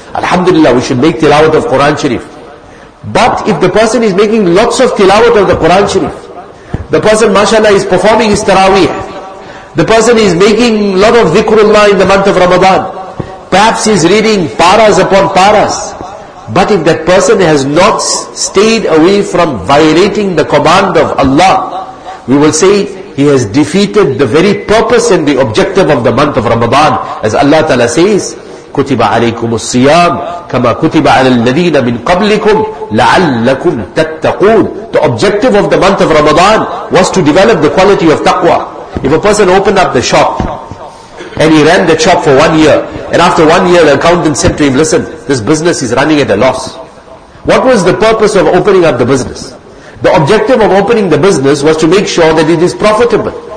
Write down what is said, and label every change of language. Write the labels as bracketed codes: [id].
[en] Alhamdulillah, we should make tilawat of Quran Sharif. But if the person is making lots of tilawat of the Quran Sharif, the person, mashallah, is performing his taraweeh, the person is making a lot of dhikrullah in the month of Ramadan, perhaps he's reading paras upon paras, but if that person has not stayed away from violating the command of Allah, we will say he has defeated the very purpose and the objective of the month of Ramadan. As Allah Ta'ala says, [ar] كُتِبَ عَلَيْكُمُ الصِّيَامُ كَمَا كُتِبَ عَلَى الَّذِينَ مِنْ قَبْلِكُمْ لَعَلَّكُمْ تَتَّقُونَ. [en] The objective of the month of Ramadan was to develop the quality of taqwa. If a person opened up the shop and he ran the shop for 1 year, and after 1 year the accountant said to him, listen, this business is running at a loss. What was the purpose of opening up the business? The objective of opening the business was to make sure that it is profitable.